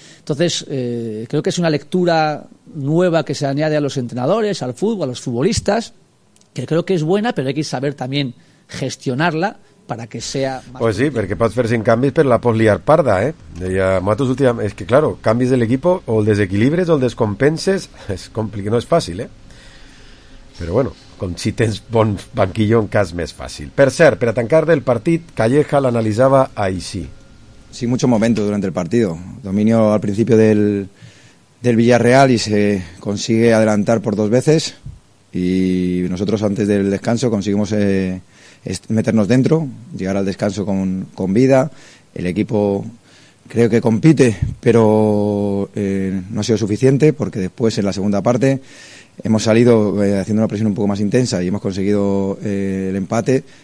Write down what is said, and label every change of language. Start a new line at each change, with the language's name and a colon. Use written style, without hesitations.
Spanish: Entonces, creo que es una lectura nueva que se añade a los entrenadores, al fútbol, a los futbolistas, que creo que es buena, pero hay que saber también gestionarla para que sea más... Pues sí, positiva. Porque
Catalan: pots fer
Spanish: sin canvis, pero la pots liar parda, ¿eh? Deia, Matos, últimamente, es que claro, canvis del equipo, o el desequilibres, o el descompenses, es complicado, no es fácil, ¿eh? Pero bueno, con
Catalan: si tens
Spanish: bon banquillo,
Catalan: en cas més
Spanish: fácil.
Catalan: Per cert, per a tancar del partit, Calleja l'analitzava així.
Spanish: Sí, mucho momento durante el partido. Dominio al principio del Villarreal y se consigue adelantar por 2 veces. Y nosotros antes del descanso conseguimos meternos dentro, llegar al descanso con vida. El equipo creo que compite, pero no ha sido suficiente porque después en la segunda parte hemos salido haciendo una presión un poco más intensa y hemos conseguido el empate.